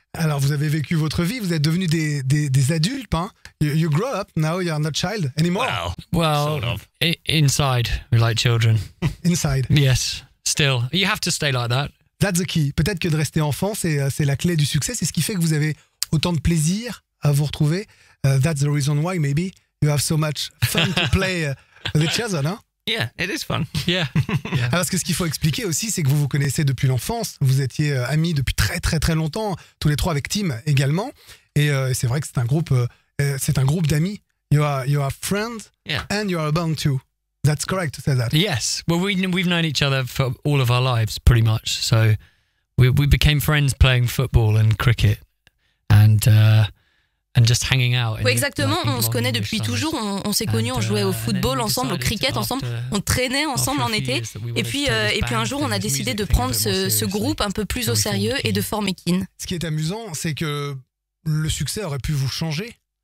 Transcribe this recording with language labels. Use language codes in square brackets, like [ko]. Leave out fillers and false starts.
[fr] Alors vous avez vécu votre vie. Vous êtes devenus des adultes, hein. [en] You grow up now. You are not child anymore. Well sort of. Inside, we're like children. Inside. Yes. Still, you have to stay like that. That's the key. [fr] Peut-être que de rester enfant, c'est la clé du succès. C'est ce qui fait que vous avez autant de plaisir à vous retrouver. [en] That's the reason why maybe you have so much fun to play with each other, non? Yeah, it is fun. Yeah. [fr] Ah, parce que ce qu'il faut expliquer aussi, c'est que vous vous connaissez depuis l'enfance. Vous étiez amis depuis très très très longtemps, tous les trois avec Tim également. Et c'est vrai que c'est un groupe. C'est un groupe d'amis. [en] You are friends, yeah. And you are a band too. That's correct to say that. Yes. Well, we've known each other for all of our lives, pretty much. So we became friends playing football and cricket, and just hanging out. [fr] Oui, exactement. On se connaît depuis toujours. On s'est connus. On jouait au football ensemble, au cricket ensemble. On traînait ensemble en été. Et puis un jour, on a décidé de prendre ce groupe un peu plus au sérieux et de former Keen. Ce qui est amusant, c'est que le succès aurait pu vous changer.